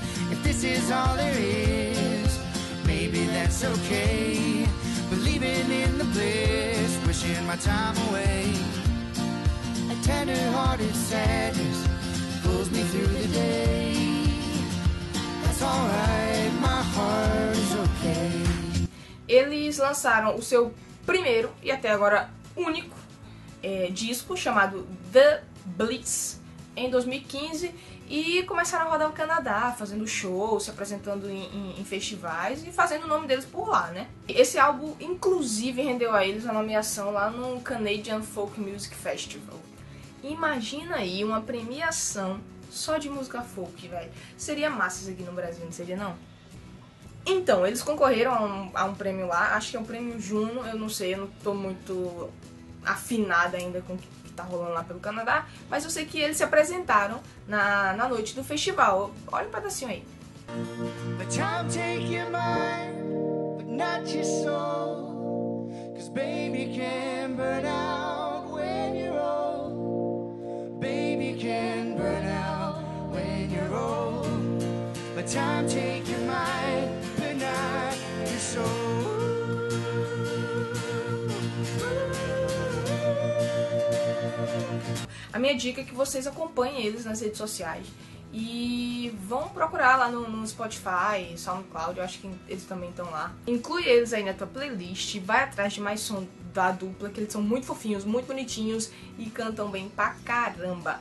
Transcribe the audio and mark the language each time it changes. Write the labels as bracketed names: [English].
[English] If this is all there is, maybe that's okay. Believing in the bliss, wishing my time away. A tender hearted sadness pulls me through the day. That's alright, my heart is okay. [Portuguese] Eles lançaram o seu primeiro e até agora único disco chamado The Blitz em 2015. E começaram a rodar o Canadá, fazendo shows, se apresentando em festivais e fazendo o nome deles por lá, né? Esse álbum, inclusive, rendeu a eles a nomeação lá no Canadian Folk Music Festival. Imagina aí uma premiação só de música folk, velho. Seria massa isso aqui no Brasil, não seria não? Então, eles concorreram a um prêmio lá, acho que é um prêmio Juno, eu não sei, eu não tô muito afinada ainda com tá rolando lá pelo Canadá, mas eu sei que eles se apresentaram na noite do festival. Olha um pedacinho aí. [English] But I'm taking mine, but not your soul. Cause baby can burn out when you're old. Baby can burn out when you're old. But I'm taking mine, but not your soul. [Portuguese] A minha dica é que vocês acompanhem eles nas redes sociais e vão procurar lá no Spotify, SoundCloud, eu acho que eles também estão lá. Inclui eles aí na tua playlist, vai atrás de mais som da dupla, que eles são muito fofinhos, muito bonitinhos e cantam bem pra caramba.